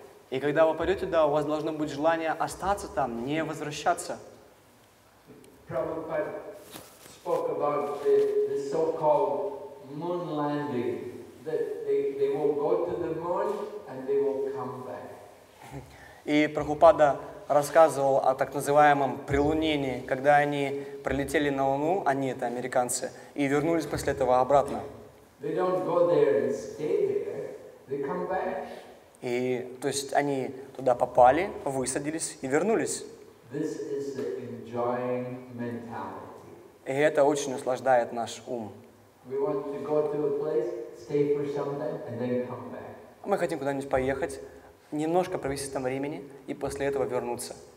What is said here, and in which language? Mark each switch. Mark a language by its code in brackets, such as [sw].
[ru] И когда вы пойдете туда, у вас должно быть желание остаться там, не возвращаться. [en] Prabhupada spoke about the so-called moon landing, that they will go to the moon and they will come back. [ru] И Прабхупада рассказывал о так называемом прилунении, когда они прилетели на Луну, они, это американцы, и вернулись после этого обратно. [en] They don't go there and stay there. They come back. [ru] И, то есть, они туда попали, высадились и вернулись. [en] This is the enjoying mentality. [ru] И это очень услаждает наш ум. [en] We want to go to a place, stay for some time, and then come back. [ru] Мы хотим куда-нибудь поехать, немножко провести там времени и после этого вернуться.